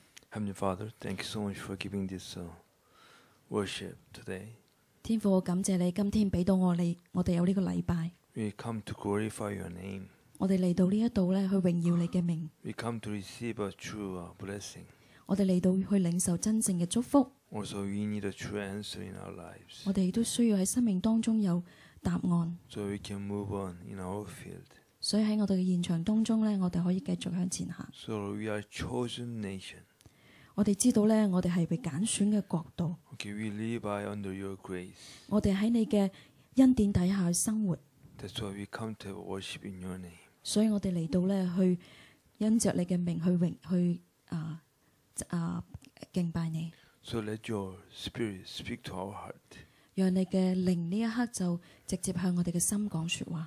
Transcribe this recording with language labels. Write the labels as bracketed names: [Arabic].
[English] Heavenly Father, thank you so much for giving this worship today. [Cantonese] 天父，感谢你今天俾到我哋，我哋有呢个礼拜。 [English] We come to glorify your name. [Cantonese] 我哋嚟到呢一度咧，去荣耀你嘅名。 [English] We come to receive a true blessing. [Cantonese] 我哋嚟到去领受真正嘅祝福。 [English] Also, we need a true answer in our lives. [Cantonese] 我哋都需要喺生命当中有答案。 [English] So we can move on in our field. [Cantonese] 所以喺我哋嘅现场当中咧，我哋可以继续向前行。 [English] So we are chosen nation. [Cantonese] 我哋知道咧，我哋系被拣选嘅国度。 [English] Okay, we live under your grace. [Cantonese] 我哋喺你嘅恩典底下生活。 [English] That's why we come to worship in your name. [Cantonese] 所以我哋嚟到咧，去因着你嘅名去敬拜你。 [English] So let your spirit speak to our heart. [Cantonese] 让你嘅灵呢一刻就直接向我哋嘅心讲说话。